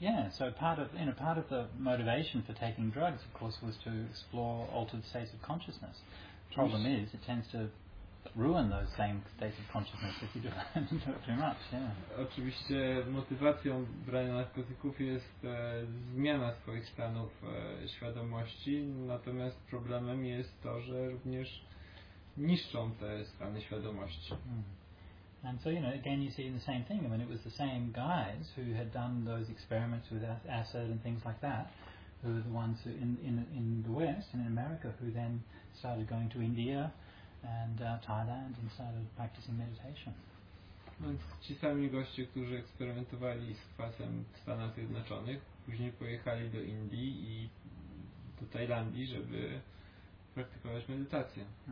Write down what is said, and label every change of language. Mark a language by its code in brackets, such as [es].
[en] So part of the motivation for taking drugs, of course, was to explore altered states of consciousness. Problem is, it tends to ruin those same states of consciousness if you do it too much. Yeah. [pl] Oczywiście motywacją brania narkotyków jest zmiana swoich stanów świadomości. Natomiast problemem jest to, że również niszczą te stany świadomości. [en] And so, you know, again, you see the same thing. I mean, it was the same guys who had done those experiments with acid and things like that, who were the ones who in the West and in America who then started going to India and Thailand and started practicing meditation. [pl] Więc ci sami goście, którzy eksperymentowali z kwasem w Stanach Zjednoczonych, później pojechali do Indii i do Tajlandii, żeby praktykować medytację.